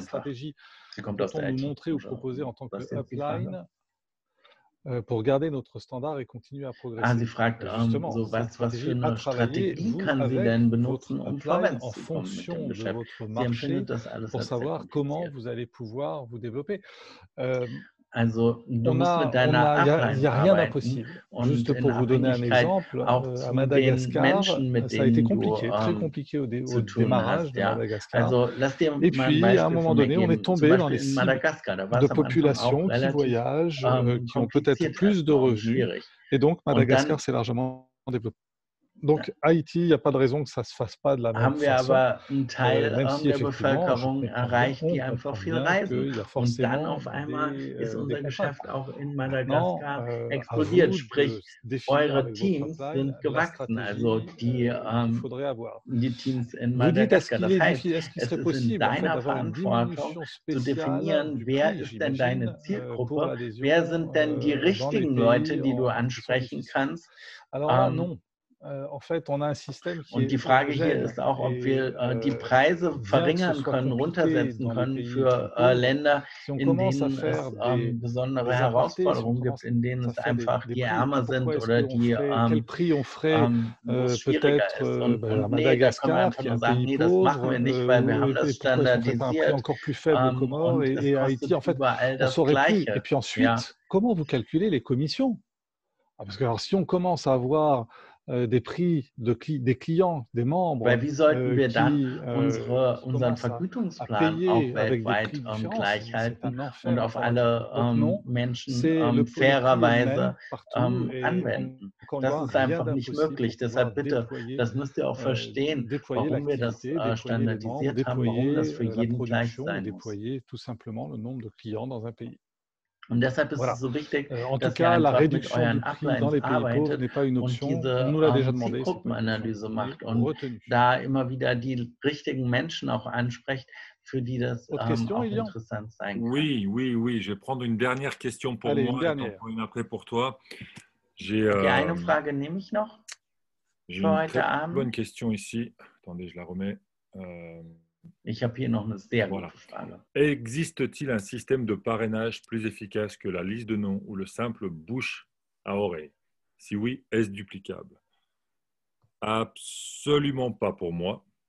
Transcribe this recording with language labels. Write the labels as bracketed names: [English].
[French] stratégie peut-on nous montrer ou proposer en tant que upline pour garder notre standard et continuer à progresser. [German] Sie fragt, justement, so was für eine Strategie kann sie denn benutzen, um vorwärts zu kommen mit dem Geschäft? Sie empfindet das alles als sehr kompliziert. [French] Pour savoir comment vous allez pouvoir vous développer. [German] Also, du musst mit deiner [French] Il n'y a rien d'impossible. Juste pour vous donner un exemple, à Madagascar, ça a été compliqué, très compliqué au démarrage de Madagascar. Et puis, à un moment donné, on est tombé dans les cibles de populations qui voyagent, qui ont peut-être plus de revenus. Et donc, Madagascar s'est largement développé. Donc, Haïti, il n'y a pas de raison que ça ne se fasse pas de la même façon. [German] Aber einen Teil si der Bevölkerung erreicht, die einfach viel reisen. Und dann auf einmal ist unser Geschäft auch in Madagaskar explodiert. Sprich, eure Teams sind gewachsen. Also, die Teams in Madagaskar. Das heißt, es ist in deiner Verantwortung zu definieren, wer ist denn deine Zielgruppe? Wer sind denn die richtigen Leute, die du ansprechen kannst? [French] En fait, on a un système qui [German] Und die Frage hier ist auch, ob wir die Preise verringern können, runtersetzen können für Länder, in denen es besondere Herausforderungen gibt, in denen es einfach die ärmer sind oder die schwieriger ist. Und nee, da kann man einfach nur sagen, nee, das machen wir nicht, weil wir haben das standardisiert und es kostet überall das Gleiche. [French] Et puis ensuite, comment vous calculez les commissions? Parce que alors, si on commence à avoir des prix de des clients, des membres. [German] Weil wie sollten wir dann unseren Vergütungsplan auch weltweit gleich halten und auf alle Menschen fairerweise anwenden? Das ist einfach nicht möglich. Deshalb bitte, das müsst ihr auch verstehen, warum wir das standardisiert haben, warum das für jeden gleich sein muss. [French] Déployer tout simplement le nombre de clients dans un pays. [German] Und deshalb ist es so wichtig, dass ihr einfach mit euren Uplines arbeitet und diese Zielgruppenanalyse macht und da immer wieder die richtigen Menschen auch anspricht, für die das auch interessant sein kann. [French] Oui, oui, oui. Je vais prendre une dernière question pour moi. Allez, une dernière. Après pour toi. [German] Die eine Frage nehme ich noch für heute Abend. [French] J'ai une bonne question ici. Attendez, je la remets. [German] Ich habe hier noch eine sehr gute Frage. [French] Existe-t-il un système de parrainage plus efficace que la liste de noms ou le simple bouche à oreille? Si oui, est-ce duplicable? Absolument pas pour moi.